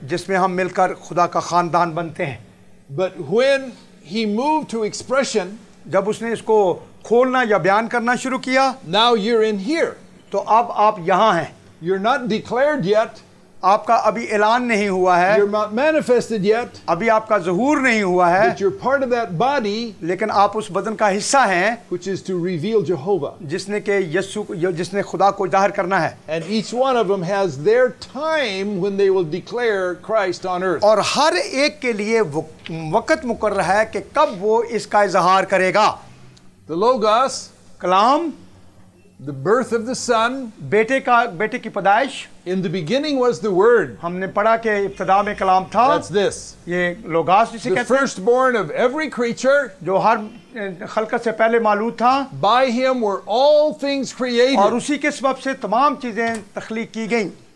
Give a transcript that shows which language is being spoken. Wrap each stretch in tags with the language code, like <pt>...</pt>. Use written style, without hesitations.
<hi>जिसमें हम मिलकर खुदा का खानदान बनते हैं.</hi> <en>But when he moved to expression,</en> <hi>जब उसने इसको खोलना या बयान करना शुरू किया,</hi> <en>Now you're in here.</en> <hi>तो अब आप यहां हैं.</hi> <en>You're not declared yet.</en> <hi>आपका अभी ऐलान नहीं हुआ है.</hi> <en>You're not manifested yet.</en> <hi>अभी आपका ज़हूर नहीं हुआ है.</hi> <en>But you're part of that body.</en> <hi>लेकिन आप उस बदन का हिस्सा हैं.</hi> <en>Which is to reveal Jehovah.</en> <hi>जिसने के यीशु को, जिसने खुदा को जाहिर करना है.</hi> <en>And each one of them has their time when they will declare Christ on earth.</en> <hi>और हर एक के लिए वक्त मुकर्रर है कि कब वो इसका इजहार करेगा.</hi> <en>The logos,</en> <hi>Kalam,</hi> <en>the birth of the son,</en> <hi>बेटे का, बेटे की पदाइश.</hi> <en>In the beginning was the word.</en> <hi>हमने पढ़ा के इब्तिदा में कलाम था.</hi> <en>That's this.</en> <hi>ये लोगास जिसे कहते हैं.</hi> <en>The firstborn of every creature.</en> <hi>जो हर खलकत से पहले मालूद था.</hi> <en>By him were all things created.</en> <hi>और उसी के सबब से तमाम चीजें तख्लीक की गईं.</hi>